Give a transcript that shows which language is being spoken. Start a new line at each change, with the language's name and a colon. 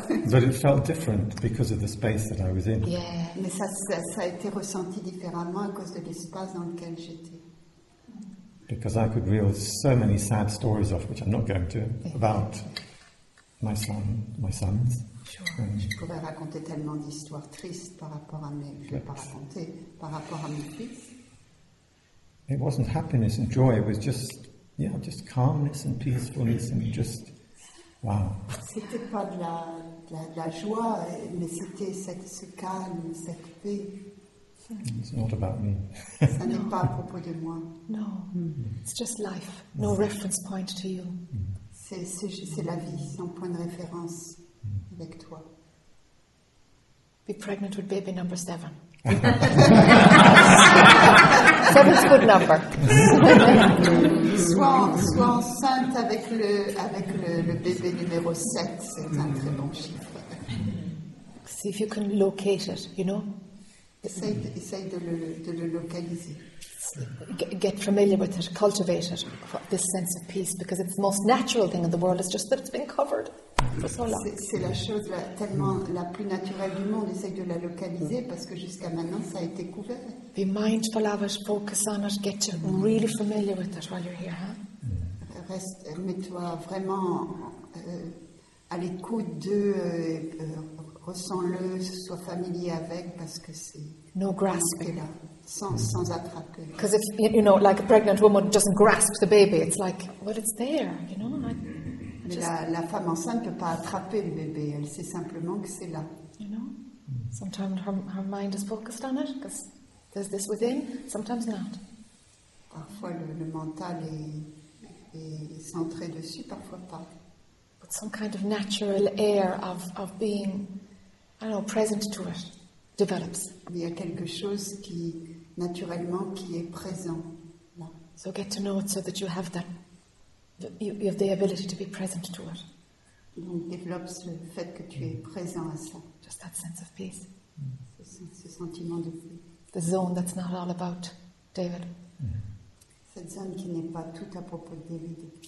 English: but it felt different because of the space that I was in.
French: Yeah, mais ça a été ressenti différemment à cause de l'espace dans lequel j'étais.
English: Because I could reel so many sad stories off, which I'm not going to, about my son, my sons. Sure.
French: Je pourrais raconter tellement d'histoires tristes par rapport à mes, je vais pas raconter, par rapport à mes fils.
English: It wasn't happiness and joy, it was just calmness and peacefulness and just, wow.
French: C'était pas de la joie, mais c'était ce calme, cette paix.
English: It's not about me.
French: Ça n'est pas à propos de moi.
English: No, it's just life, no reference point to you.
French: C'est la vie, sans point de référence avec toi.
English: Be pregnant with baby number 7. 7 is a good number.
French: Sois enceinte avec le bébé numéro 7, c'est un très bon chiffre.
English: See if you can locate it, you know?
French: Essaye de le localiser.
English: Get familiar with it, cultivate it, this sense of peace, because it's the most natural thing in the world, it's just that it's been covered for so long.
French: C'est la chose tellement la plus naturelle du monde, essaye de la localiser, parce que jusqu'à maintenant, ça a été couvert.
English: Be mindful of it, focus on it, get really familiar with it while you're here, huh?
French: Reste, mets-toi vraiment à l'écoute de... Ressens-le, sois familier avec, parce que c'est...
English: No grasping.
French: Sans attraper.
English: Because if, you know, like a pregnant woman doesn't grasp the baby, it's like, well, it's there, you know?
French: La femme enceinte ne peut pas attraper le bébé, elle sait simplement que c'est là.
English: You know? Sometimes her mind is focused on it, because there's this within, sometimes not.
French: Parfois le mental est centré dessus, parfois pas.
English: But some kind of natural air of being... I know, present to it, develops.
French: Il y a quelque chose qui, naturellement, qui est présent. Là.
English: So get to know it so that you have that, you have the ability to be present to it.
French: Donc développe le fait que tu es présent à ça.
English: Just that sense of peace.
French: Ce sentiment de paix.
English: The zone that's not all about David.
French: Cette zone qui n'est pas tout à propos de David.